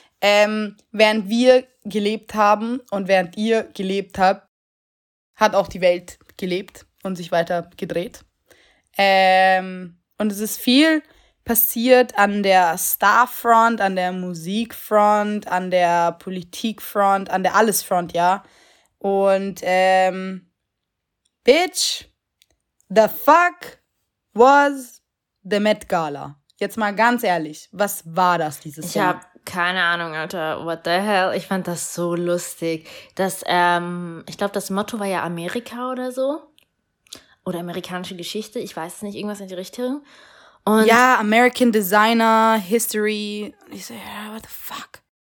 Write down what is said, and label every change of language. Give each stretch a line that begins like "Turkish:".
German: Während wir gelebt haben und während ihr gelebt habt, hat auch die Welt gelebt und sich weiter gedreht. Und es ist viel passiert an der Starfront, an der Musikfront, an der Politikfront, an der Allesfront, ja.
English: Und Bitch, the fuck was the Met Gala?
German: Jetzt mal ganz ehrlich, was war das dieses Jahr? Ich habe keine Ahnung, Alter.
English: What the hell?
German: Ich fand das so lustig. Das, ich glaube, das Motto war ja Amerika oder so. Oder amerikanische Geschichte. Ich weiß es nicht, irgendwas in die Richtung. Und ja,
English: American Designer, History.
German: Und ich so, ja, yeah,
English: what the fuck?